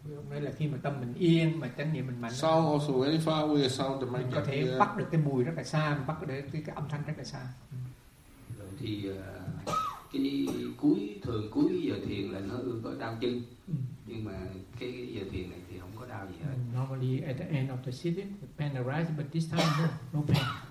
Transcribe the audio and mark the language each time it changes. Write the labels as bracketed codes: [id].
[vi] Nên là khi mà tâm mình yên, mà chánh niệm mình mạnh, [en] sound also very far away, sound the mind [vi] có thể [en] here. [vi] Bắt được cái mùi rất là xa, bắt được cái âm thanh rất là xa. Rồi thì cuối giờ thiền là nó có đau chân, nhưng mà cái giờ thiền này thì không có đau gì hết. [en] Normally at the end of the sitting, the pain arises, but this time no pain.